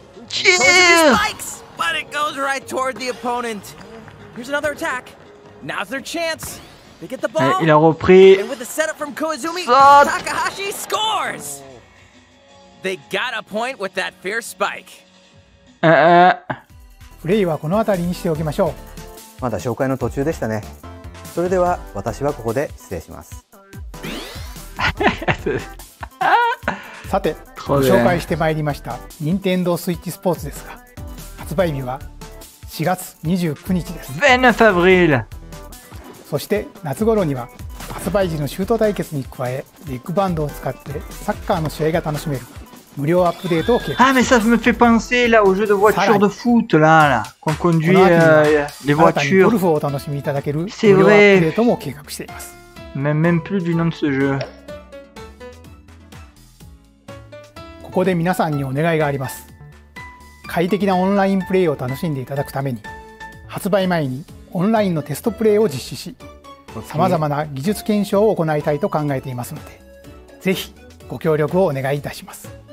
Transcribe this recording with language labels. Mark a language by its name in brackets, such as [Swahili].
[English] Yeah. Koizumi spikes, but it goes right toward the opponent. Here's another attack. Now's their chance. They get the ball. [French] Il a repris. [English] And with the setup from Koizumi, Takahashi scores. They got a point with that fierce spike. [Japanese] プレイはこのあたりにしておきましょう。まだ紹介の途中でしたね。それでは私はここで失礼します。さて、ご紹介してまいりました任天堂スイッチスポーツですが、発売日は4月29日です。 [French] 29 avril。 [Japanese] そして夏頃には発売時のシュート対決に加え、ビッグバンドを使ってサッカーの試合が楽しめる無料アップデートを計画。 [French] Ah, mais ça me fait penser là au jeu de voiture de foot là, là qu'on conduit les voitures. [Japanese] ゴルフを楽しみいただける無料アップデートも計画しています。 [French] Même plus du nom de ce jeu. [Japanese] ここで皆さんにお願いがあります。快適なオンラインプレイを楽しんでいただくために、発売前にオンラインのテストプレイを実施し、さまざまな技術検証を行いたいと考えていますので、ぜひご協力をお願いいたします。